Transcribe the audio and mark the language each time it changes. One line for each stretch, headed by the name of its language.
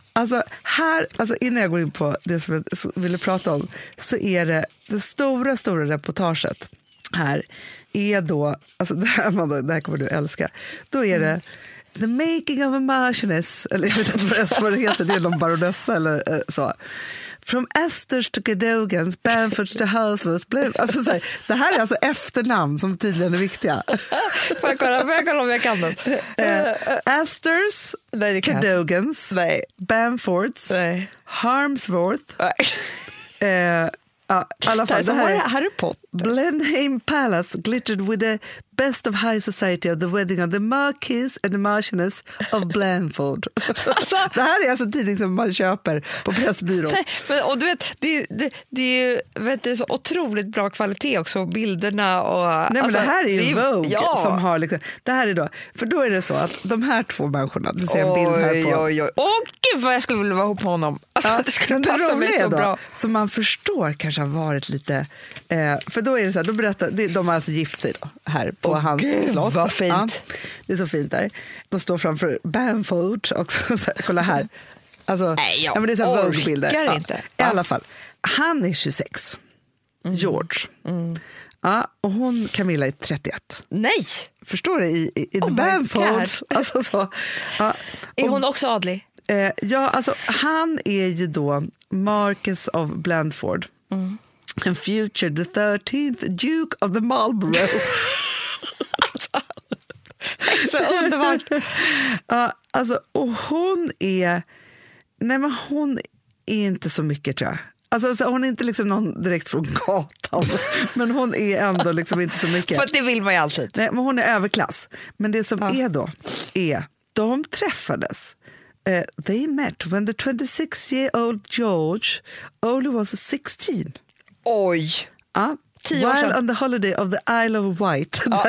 Swedish: Alltså här, alltså innan jag går in på det som jag ville prata om, så är det stora, stora reportaget här är då, alltså det här kommer du älska, då är det The Making of a Marchioness, eller jag vet inte vad det heter, det är någon baronessa eller så.
English: From Esters to Cadogans, Bamfords to Hurstwoods.
Swedish: Alltså, det här är alltså efternamn som tydligen är viktiga. Får jag kolla om jag kan dem? Esters, nej, Cadogans, nej. Bamfords, nej. Harmsworth. Nej. I alla fall, det här är Harry Potter.
English: Blenheim Palace glittered with the best of high society of the wedding of the Marquis and the Marchioness of Blandford.
Swedish: Alltså, det här är alltså en tidning som man köper på pressbyrån. Nej, men, och du vet, det är ju, vet du, så otroligt bra kvalitet också, bilderna och... Nej, alltså, men det här är ju Vogue, ja, som har liksom... Det här är då, för då är det så att de här två människorna, du ser en bild här på... Åh gud vad jag skulle vilja vara ihop med honom. Alltså, ja, det skulle passa det mig så då, bra. Så man förstår kanske har varit lite... för då är det så här, då berättar, de har alltså gift sig då, här på hans slott. Vad fint. Ja, det är så fint där. De står framför Bamford också. Kolla här. Alltså, nej, ja, men det är så här Vogue-bilder. Ja, i alla fall. Han är 26. Mm. George. Mm. Ja, och hon, Camilla, är 31. Nej! Förstår du? I oh Bamford. Alltså, så. Ja. Är hon också adlig? Ja, alltså han är ju då Marquess of Blandford. Mm.
English: And future the 13th Duke of the Marlborough.
Swedish: Så underbart. Alltså, och hon är... Nej, men hon är inte så mycket, tror jag. Alltså, hon är inte liksom någon direkt från gatan. Men hon är ändå liksom inte så mycket. För det vill man ju alltid. Nej, men hon är överklass. Men det som är då är... De träffades...
English: they met when the 26-year-old George only was 16.
Swedish: Oj! Ja.
English: While on the holiday of the Isle of Wight.